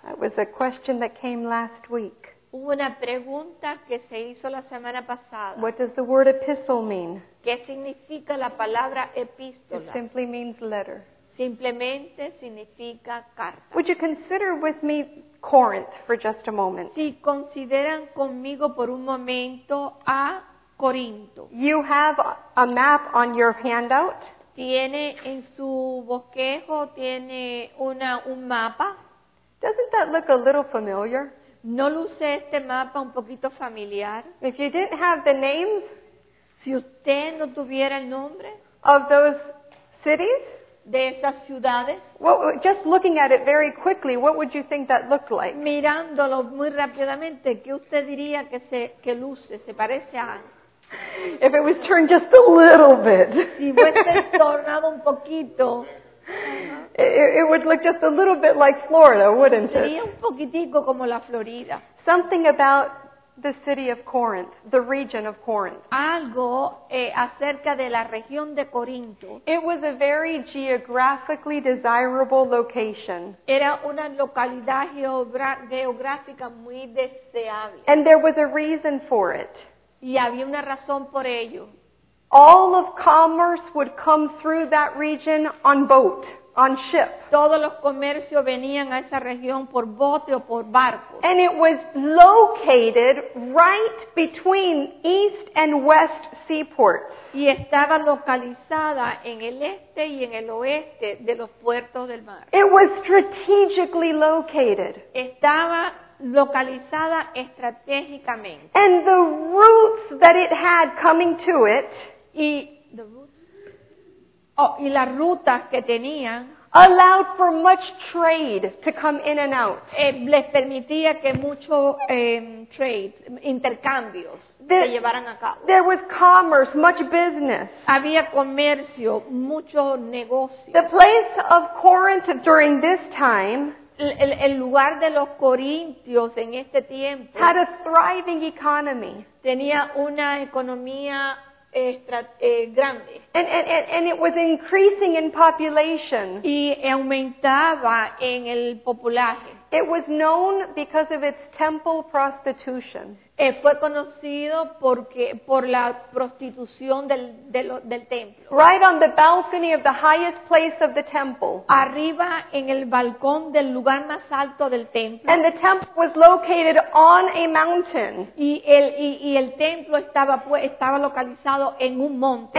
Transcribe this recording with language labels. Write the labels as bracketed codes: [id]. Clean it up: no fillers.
[en] That was a question that came last week. [es] Hubo una pregunta que se hizo la semana pasada. [en] What does the word epistle mean? [es] ¿Qué significa la palabra epístola? [en] It simply means letter. [es] Simplemente significa carta. [en] Would you consider with me Corinth for just a moment? [es] Si consideran conmigo por un momento a Corinto. [en] You have a map on your handout. [es] Tiene en su bosquejo, tiene un mapa. [en] Doesn't that look a little familiar? [es] ¿No luce este mapa un poquito familiar? [en] If you didn't have the names, [es] si usted no tuviera el nombre [en] of those cities, [es] de esas ciudades, [en] well, just looking at it very quickly, what would you think that looked like? [es] Mirándolo muy rápidamente, ¿qué usted diría que luce, se parece a? [en] If it was turned just a little bit. [es] Si fuese tornado un poquito. [en] It would look just a little bit like Florida, wouldn't it? [es] Sería un poquitico como la Florida. [en] Something about the city of Corinth, the region of Corinth. [es] Algo acerca de la región de Corinto. [en] It was a very geographically desirable location. [es] Era una localidad geográfica muy deseable. [en] And there was a reason for it. [es] Y había una razón por ello. [en] All of commerce would come through that region on boat, on ship. [es] Todos los comercios venían a esa región por bote o por barco. [en] And it was located right between east and west seaports. [es] Y estaba localizada en el este y en el oeste de los puertos del mar. [en] It was strategically located. [es] Estaba localizada estratégicamente. [en] And the routes that it had coming to it, [es] y las rutas que tenían, [en] allowed for much trade to come in and out. [es] Les permitía que mucho trade, intercambios, se llevaran a cabo. [en] There was commerce, much business. [es] Había comercio, mucho negocio. [en] The place of Corinth during this time, [es] el lugar de los corintios en este tiempo, [en] had a thriving economy. [es] Tenía una economía grande. [en] And it was increasing in population. [es] Y aumentaba en el populaje. [en] It was known because of its temple prostitution. [es] Fue conocido por la prostitución del templo. [en] Right on the balcony of the highest place of the temple. [es] Arriba en el balcón del lugar más alto del templo. [en] And the temple was located on a mountain. [es] Y el templo estaba localizado en un monte.